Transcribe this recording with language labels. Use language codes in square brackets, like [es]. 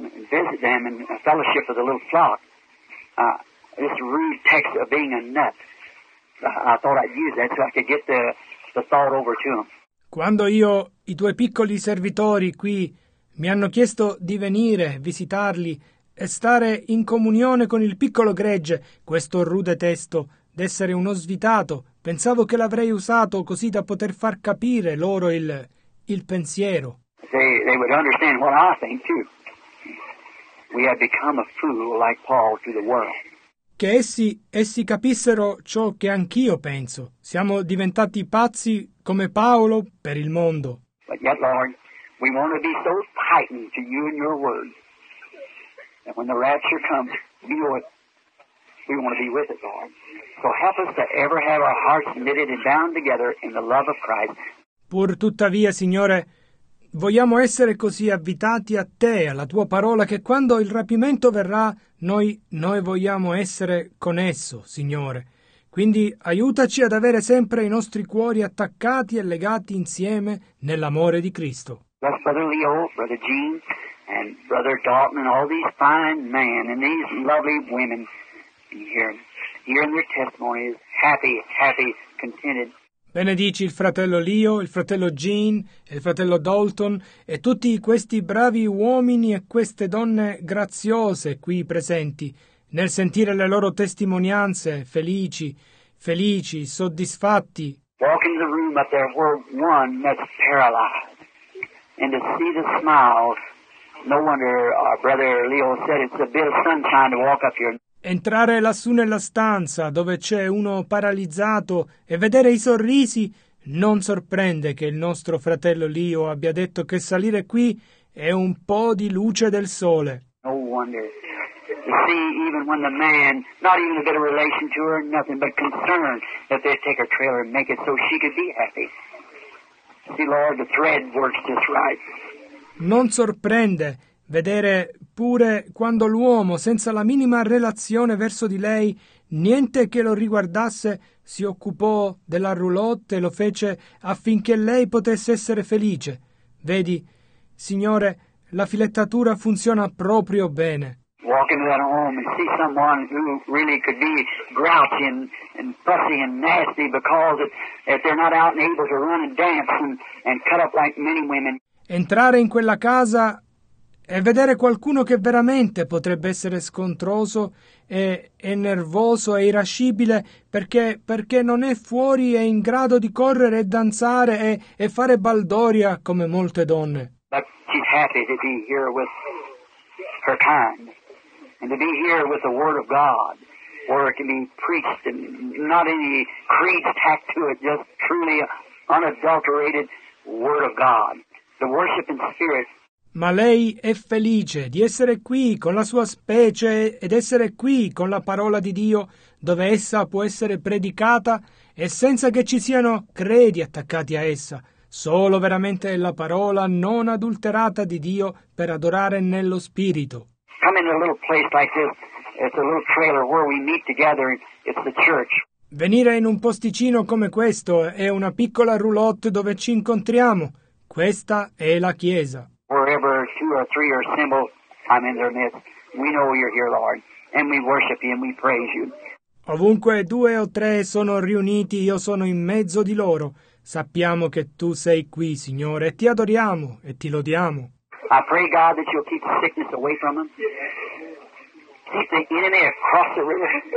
[en] Visit them in a fellowship of the little flock. This rude text of being a nut. I thought I'd use that so I could get the thought over to them. [it] Quando io, i tuoi piccoli servitori qui, mi hanno chiesto di venire, visitarli e stare in comunione con il piccolo gregge, questo rude testo, d'essere uno svitato, pensavo che l'avrei usato così da poter far capire loro il pensiero. [en] They would understand what I think too. We have become a fool like Paul to the world. [it] Che essi capissero ciò che anch'io penso. Siamo diventati pazzi come Paolo per il mondo. [en] But yet, Lord, We want to be so tightened to you and your word that when the rapture comes, we want to be with it, Lord. So help us to ever have our hearts knitted and bound together in the love of Christ. [it] Pur tuttavia, Signore, vogliamo essere così avvitati a Te, alla Tua parola, che quando il rapimento verrà, noi vogliamo essere con esso, Signore. Quindi aiutaci ad avere sempre i nostri cuori attaccati e legati insieme nell'amore di Cristo. [en] Bless Brother Leo, Brother Gene, and Brother Dalton, and all these fine men and these lovely women hearing their testimonies, happy, contented. [it] Benedici il fratello Leo, il fratello Gene e il fratello Dalton e tutti questi bravi uomini e queste donne graziose qui presenti nel sentire le loro testimonianze felici, soddisfatti. [en] Walk in the room up there where one that's paralyzed and to see the smiles. No wonder our brother Leo said it's a bit of sunshine to walk up here. [it] Entrare lassù nella stanza dove c'è uno paralizzato e vedere i sorrisi non sorprende che il nostro fratello Leo abbia detto che salire qui è un po' di luce del sole. [en] No wonder to see even when the man, not even a bit of relation to her, nothing but concerned that they take her trailer and make it so she could be happy. See, Lord, the thread works just right. [it] Non sorprende vedere pure quando l'uomo, senza la minima relazione verso di lei, niente che lo riguardasse, si occupò della roulotte e lo fece affinché lei potesse essere felice. Vedi, Signore, la filettatura funziona proprio bene. [en] Walk into that home and see someone who really could be grouchy and fussy and nasty because if they're not out and able to run and dance and cut up like many women. [it] Entrare in quella casa e vedere qualcuno che veramente potrebbe essere scontroso e nervoso e irascibile perché non è fuori e in grado di correre e danzare e fare baldoria come molte donne. [en] But she's happy to be here with her kind and to be here with the Word of God where it can be preached and not any creed tacked to it, just truly unadulterated Word of God. The worship in spirit. [it] Ma lei è felice di essere qui con la sua specie ed essere qui con la parola di Dio dove essa può essere predicata e senza che ci siano credi attaccati a essa. Solo veramente la parola non adulterata di Dio per adorare nello spirito. [en] Come in a little place like this, it's a little trailer where we meet together, it's the church. [it] Venire in un posticino come questo è una piccola roulotte dove ci incontriamo. Questa è la chiesa. [en] Wherever two or three are assembled, I'm in their midst. We know you're here, Lord, and we worship you and we praise you. [it] Ovunque due o tre sono riuniti, io sono in mezzo di loro. Sappiamo che tu sei qui, Signore, e ti adoriamo e ti lodiamo. [en] I pray, God, that you'll keep the sickness away from them. Keep the enemy across the river.